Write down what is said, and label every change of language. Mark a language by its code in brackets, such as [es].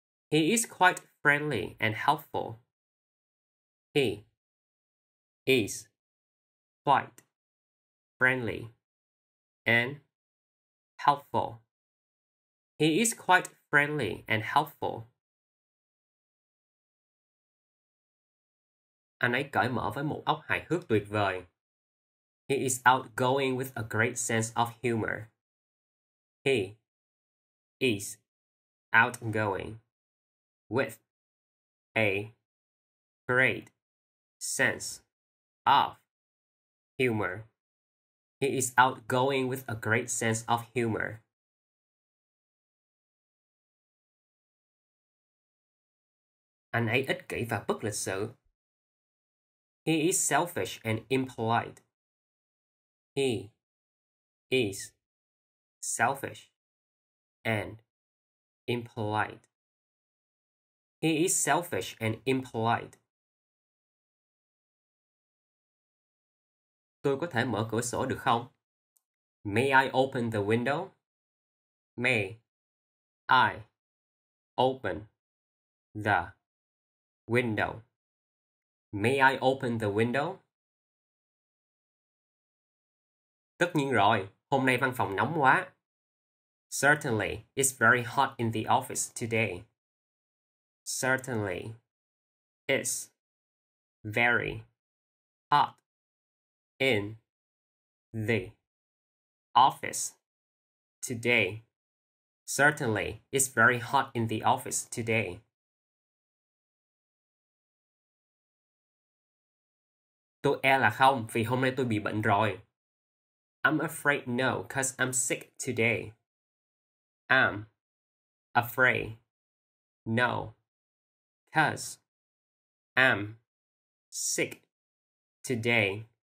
[en] He is quite friendly and helpful. He is quite friendly and helpful. He is quite friendly and helpful. [vi] Anh ấy cởi mở với một óc hài hước tuyệt vời. [en] He is outgoing with a great sense of humor. He is outgoing with a great sense of humor. He is outgoing with a great sense of humor. [vi] Anh ấy ích kỷ và bất lịch sự. [en] He is selfish and impolite. He is selfish and impolite. He is selfish and impolite. [vi] Tôi có thể mở cửa sổ được không? [en] May I open the window? May I open the window? May I open the window? [vi] Tất nhiên rồi, hôm nay văn phòng nóng quá. [en] Certainly, it's very hot in the office today. Certainly, it's very hot in the office today. Certainly, it's very hot in the office today. [vi] Tôi e là không vì hôm nay tôi bị bệnh rồi. [en] I'm afraid no, 'cause I'm sick today. I'm afraid no, 'cause I'm sick today.